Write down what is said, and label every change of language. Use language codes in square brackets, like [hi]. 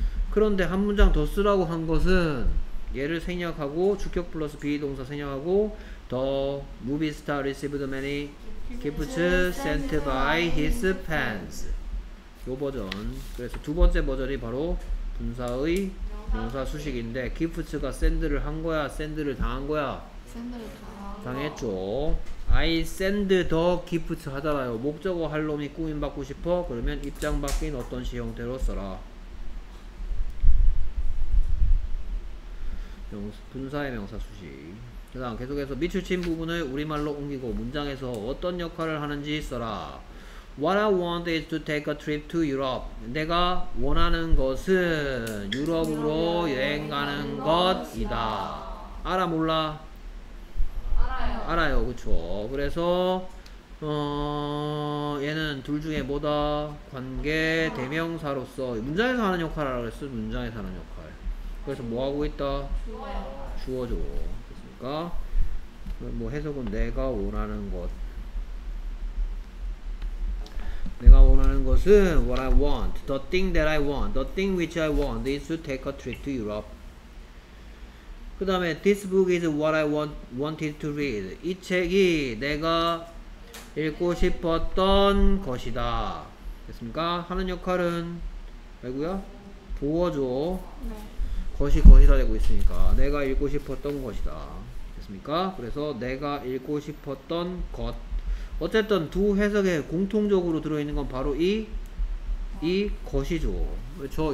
[ko] 그런데 한 문장 더 쓰라고 한 것은 얘를 생략하고 주격 플러스 비동사 생략하고 [en] The movie star received many gifts sent by his fans. [ko] 요 버전. 그래서 두 번째 버전이 바로 분사의 명사 수식인데 gifts가 send를 한 거야? send를 당한 거야? send를 당했죠. [en] I send the gifts [ko] 하잖아요. 목적어 할 놈이 꾸임 받고 싶어? 그러면 입장 바뀐 어떤 시 형태로 써라. 분사의 명사 수식. 그 다음 계속해서 밑줄 친 부분을 우리말로 옮기고 문장에서 어떤 역할을 하는지 써라. [en] What I want is to take a trip to Europe. [ko] 내가 원하는 것은 유럽으로 여행 가는 것이다. 알아 몰라? 알아요. 그쵸. 그래서 얘는 둘 중에 뭐다? 관계 대명사로서 문장에서 하는 역할을 하라고 했어. 문장에서 하는 역할. 그래서 뭐 하고 있다? 주어죠. 그러니까 뭐 해석은 내가 원하는 것. 내가 원하는 것은 [en] what I want, the thing that I want, the thing which I want is to take a trip to Europe. [ko] 그 다음에 [en] this book is what I wanted to read. [ko] 이 책이 내가 읽고 싶었던 것이다. 됐습니까? 하는 역할은 아이고야 보어죠. 네. 것이 것이다 되고 있으니까 내가 읽고 싶었던 것이다. 됐습니까? 그래서 내가 읽고 싶었던 것. 어쨌든 두 해석에 공통적으로 들어있는 건 바로 이 것이죠. 그렇죠?